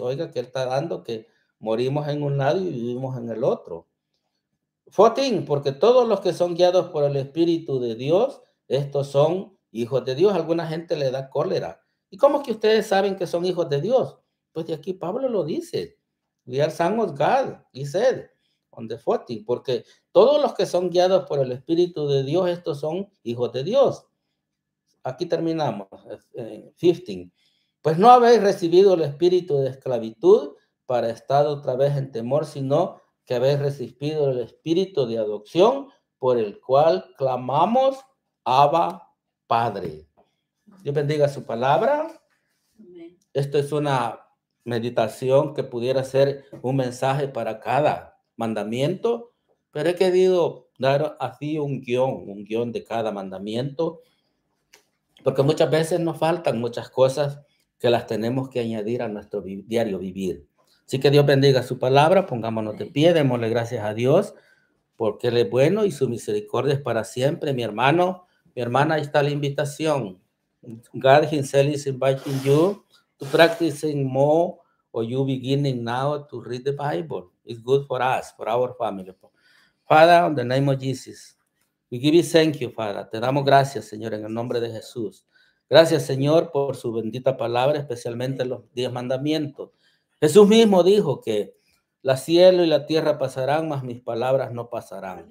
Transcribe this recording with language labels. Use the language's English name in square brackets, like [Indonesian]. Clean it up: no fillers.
[Spanish] Oiga, que él está dando que morimos en un lado y vivimos en el otro. 14. Porque todos los que son guiados por el espíritu de Dios, estos son hijos de Dios. Alguna gente le da cólera. ¿Y cómo es que ustedes saben que son hijos de Dios? Pues de aquí Pablo lo dice. [English] We are sons of God, he said, on the 14. [Spanish] Porque todos los que son guiados por el Espíritu de Dios, estos son hijos de Dios. Aquí terminamos, 15. Pues no habéis recibido el espíritu de esclavitud para estar otra vez en temor, sino que habéis recibido el espíritu de adopción por el cual clamamos Abba Padre. Dios bendiga su palabra. Esto es una meditación que pudiera ser un mensaje para cada mandamiento, pero he querido dar así un guión de cada mandamiento, porque muchas veces nos faltan muchas cosas que las tenemos que añadir a nuestro diario vivir. Así que Dios bendiga su palabra, pongámonos de pie, démosle gracias a Dios, porque Él es bueno y su misericordia es para siempre. Mi hermano, mi hermana, ahí está la invitación. [English] God himself is inviting you to practice more, or you beginning now to read the Bible. It's good for us, for our family. Father, in the name of Jesus, we give you thank you, Father. [Spanish] Te damos gracias, Señor, en el nombre de Jesús. Gracias, Señor, por su bendita palabra, especialmente los 10 mandamientos. Jesús mismo dijo que la cielo y la tierra pasarán, mas mis palabras no pasarán.